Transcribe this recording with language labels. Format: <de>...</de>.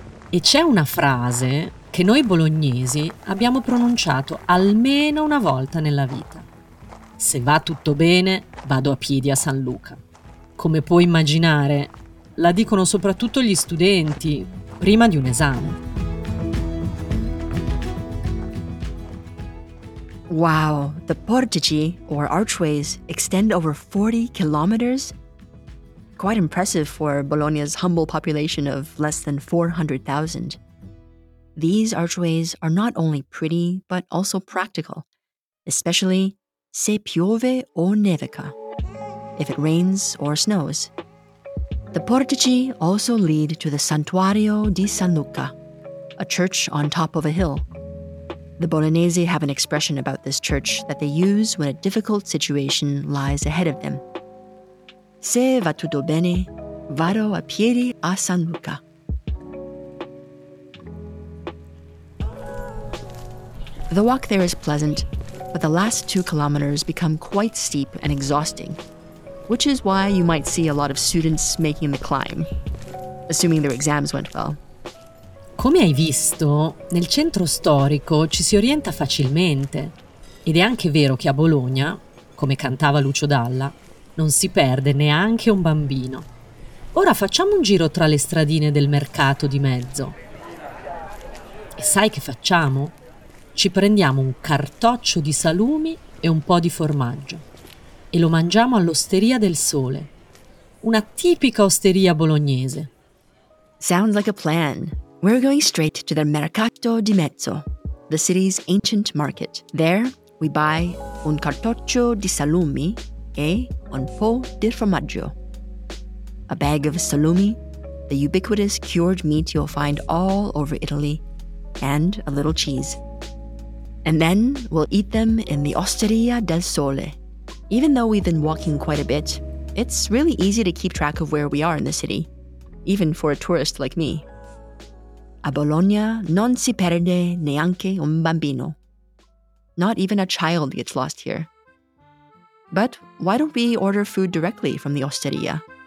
<it>E c'è una frase che noi bolognesi abbiamo pronunciato almeno una volta nella vita. Se va tutto bene, vado a piedi a San Luca. Come puoi immaginare, la dicono soprattutto gli studenti, prima di un esame.</it> <en>Wow, the portici, or archways, extend over 40 kilometers? Quite impressive for Bologna's humble population of less than 400,000. These archways are not only pretty, but also practical, especially</en> <it>se piove o nevica,</it> <en>if it rains or snows. The portici also lead to the Santuario di San Luca, a church on top of a hill. The Bolognese have an expression about this church that they use when a difficult situation lies ahead of them.</en> <it>Se va tutto bene, vado a piedi a San Luca.</it> <en>The walk there is pleasant, but the last 2 kilometers become quite steep and exhausting, which is why you might see a lot of students making the climb, assuming their exams went well.</en> <it>Come hai visto, nel centro storico ci si orienta facilmente. Ed è anche vero che a Bologna, come cantava Lucio Dalla, non si perde neanche un bambino. Ora facciamo un giro tra le stradine del mercato di mezzo. E sai che facciamo? Ci prendiamo un cartoccio di salumi e un po' di formaggio. E lo mangiamo all'Osteria del Sole, una tipica osteria bolognese.</it> <en>Sounds like a plan. We're going straight to the Mercato di Mezzo, the city's ancient market. There, we buy</en> <it>un cartoccio di salumi e un po' di formaggio.</it> <en>A bag of salumi, the ubiquitous cured meat you'll find all over Italy, and a little cheese. And then we'll eat them in the Osteria del Sole. Even though we've been walking quite a bit, it's really easy to keep track of where we are in the city, even for a tourist like me.</en> <it>A Bologna non si perde neanche un bambino.</it> <en>Not even a child gets lost here. But why don't we order food directly from the Osteria?</en>